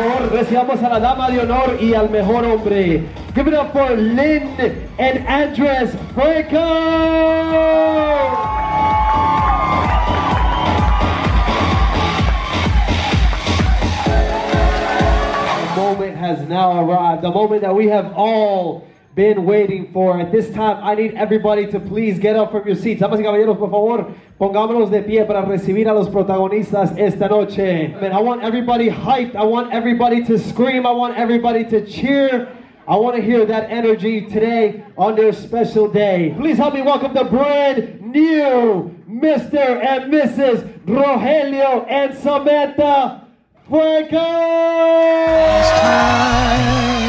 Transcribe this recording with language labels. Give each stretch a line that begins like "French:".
Spanish: Recibamos a la dama de honor y al mejor hombre.
English: Give it up for Lynn and Andres Franco. The moment has now arrived. The moment that we have all been waiting for. At this time, I need everybody to please get up from your seats.
Spanish: Damas y caballeros, por favor, pongámonos de pie para recibir a los protagonistas esta noche.
English: Man, I want everybody hyped. I want everybody to scream. I want everybody to cheer. I want to hear that energy today on their special day. Please help me welcome the brand new Mr. and Mrs. Rogelio and Samantha Franco. It's time.